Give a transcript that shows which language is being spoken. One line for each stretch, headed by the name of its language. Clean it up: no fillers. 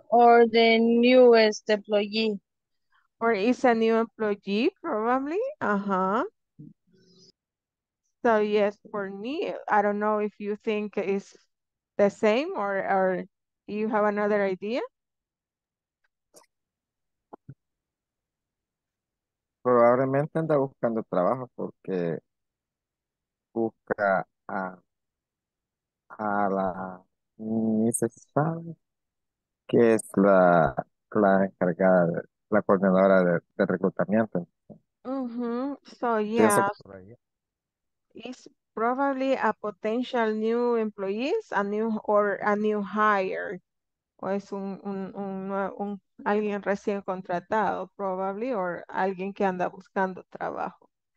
English: Or the newest employee. Or is a new employee, probably. Uh-huh. So yes, for me, I don't know if you think it's the same or you have another idea.
Spanish: Probablemente anda buscando trabajo porque busca a la Mrs. que es la encargada, la coordinadora de reclutamiento.
English: Mm-hmm. So yeah. It's probably a potential new employees, a new hire.
Spanish: O es un alguien recién contratado, probably, or alguien que anda buscando trabajo.